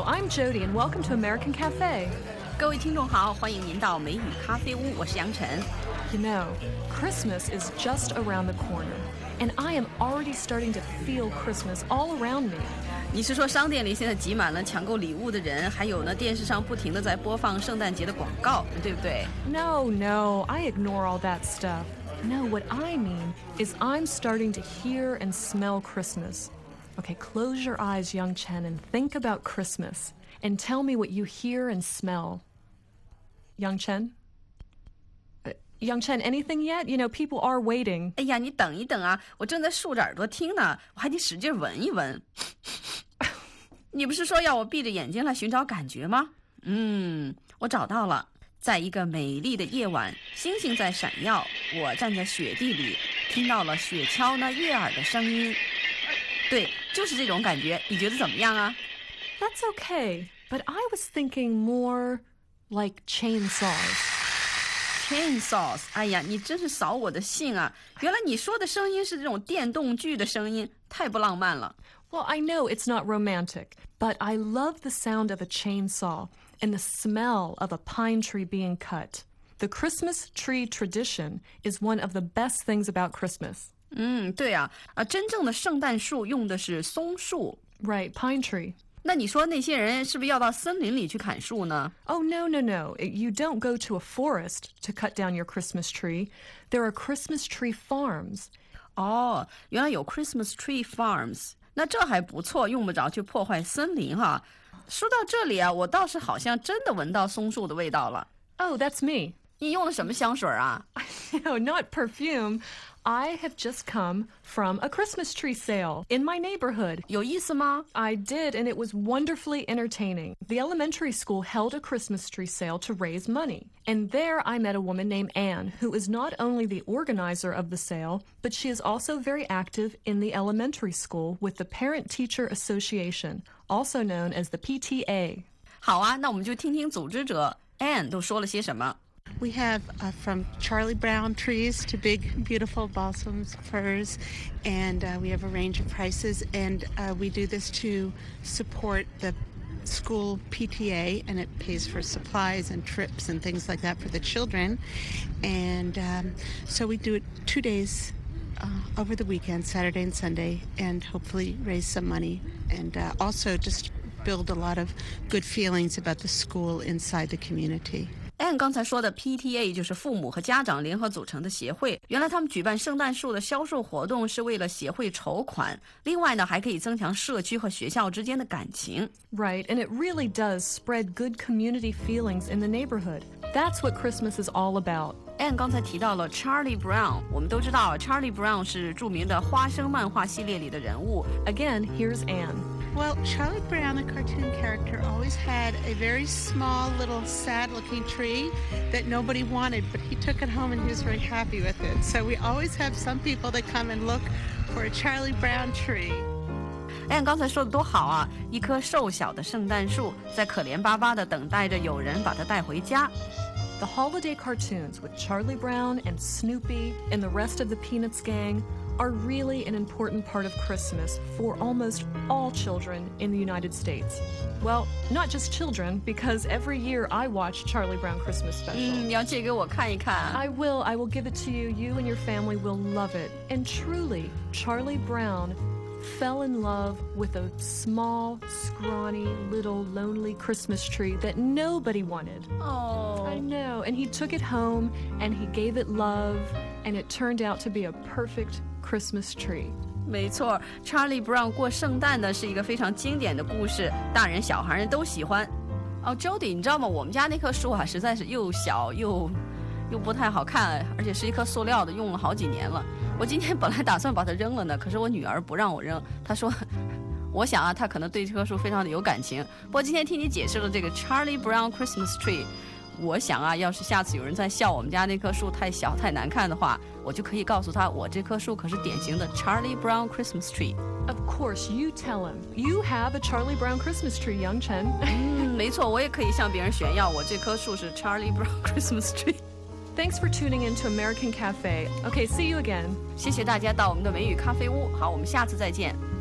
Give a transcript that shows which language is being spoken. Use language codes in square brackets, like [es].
[en] Jody, and welcome to American Cafe. [zh] 各位听众好，欢迎您到美语咖啡屋，我是杨晨。 [en] You know, Christmas is just around the corner, and I am already starting to feel Christmas all around me. [zh] 你是说商店里现在挤满了抢购礼物的人，还有呢，电视上不停地在播放圣诞节的广告，对不对 [en] ？No, no, I ignore all that stuff. No, what I mean is I'm starting to hear and smell Christmas. Okay, close your eyes, Yang Chen, and think about Christmas. And tell me what you hear and smell. Yang Chen? Yang Chen, anything yet? You know, people are waiting. [zh] 哎呀，你等一等啊，我正在竖着耳朵听呢，我还得使劲闻一闻。你不是说要我闭着眼睛来寻找感觉吗？嗯，我找到了。在一个美丽的夜晚，星星在闪耀，我站在雪地里，听到了雪橇那悦耳的声音。对，就是这种感觉，你觉得怎么样啊？ [en] That's okay, but I was thinking more like chainsaws. [zh] Chainsaws, 哎呀，你真是扫我的兴啊！原来你说的声音是这种电动锯的声音，太不浪漫了。 [en] Well, I know it's not romantic, but I love the sound of a chainsaw and the smell of a pine tree being cut. The Christmas tree tradition is one of the best things about Christmas. [zh] 嗯，对啊，啊，真正的圣诞树用的是松树。 [en] Right, pine tree. [zh] 那你说那些人是不是要到森林里去砍树呢 [en] ？Oh no no no! You don't go to a forest to cut down your Christmas tree. There are Christmas tree farms. [zh] 哦，原来有 [en] Christmas tree farms. [zh] 那这还不错，用不着去破坏森林哈。说到这里啊，我倒是好像真的闻到松树的味道了。 [en] Oh, that's me. [zh] 你用了什么香水啊 [en] ？No, not perfume. I have just come from a Christmas tree sale in my neighborhood. [zh] 有意思吗? [en] I did, and it was wonderfully entertaining. The elementary school held a Christmas tree sale to raise money. And there I met a woman named Anne, who is not only the organizer of the sale, but she is also very active in the elementary school with the Parent Teacher Association, also known as the PTA. [zh] 好啊,那我们就听听组织者 Anne 都说了些什么。 [en] We have from Charlie Brown trees to big, beautiful balsams, firs, and we have a range of prices. And we do this to support the school PTA, and it pays for supplies and trips and things like that for the children. And so we do it 2 days over the weekend, Saturday and Sunday, and hopefully raise some money. And also just build a lot of good feelings about the school inside the community. [zh] Anne 刚才说的 PTA 就是父母和家长联合组成的协会。原来他们举办圣诞树的销售活动是为了协会筹款。另外呢，还可以增强社区和学校之间的感情。 [en] Right, and it really does spread good community feelings in the neighborhood. That's what Christmas is all about. [zh] Anne 刚才提到了 Charlie Brown. 我们都知道 Charlie Brown 是著名的花生漫画系列里的人物。 [en] Again, here's Anne. Well, Charlie Brown, the cartoon character, always had a very small, little, sad-looking tree that nobody wanted, but he took it home and he was very happy with it. So we always have some people that come and look for a Charlie Brown tree. [zh] Anne 刚才说的多好啊，一棵瘦小的圣诞树在可怜巴巴地等待着有人把它带回家。 [en] The holiday cartoons with Charlie Brown and Snoopy and the rest of the Peanuts gang. Are really an important part of Christmas for almost all children in the United States. Well, not just children, because every year I watch Charlie Brown Christmas Special. [zh] 你要借给我看一看。 [en] I will give it to you. You and your family will love it. And truly, Charlie Brown fell in love with a small, scrawny, little, lonely Christmas tree that nobody wanted. Oh. I know. And he took it home and he gave it love, and it turned out to be a perfect. Christmas tree. [zh] 没错 ,Charlie Brown 过圣诞呢是一个非常经典的故事大人小孩人都喜欢。哦 ,Jody, 你知道吗我们家那棵树啊实在是又小又不太好看而且是一棵塑料的用了好几年了。我今天本来打算把它扔了呢可是我女儿不让我扔她说我想啊她可能对这棵树非常的有感情。不过今天听你解释了这个 Charlie Brown Christmas tree,我想啊要是下次有人在笑我们家那棵树太小太难看的话我就可以告诉他我这棵树可是典型的 Charlie Brown Christmas tree [en] Of course you tell him You have a Charlie Brown Christmas tree Yang Chen 、 [zh] 没错我也可以向别人炫耀我这棵树是 Charlie Brown Christmas tree [en] Thanks for tuning in to American Cafe Okay see you again [zh] 谢谢大家到我们的美语咖啡屋好我们下次再见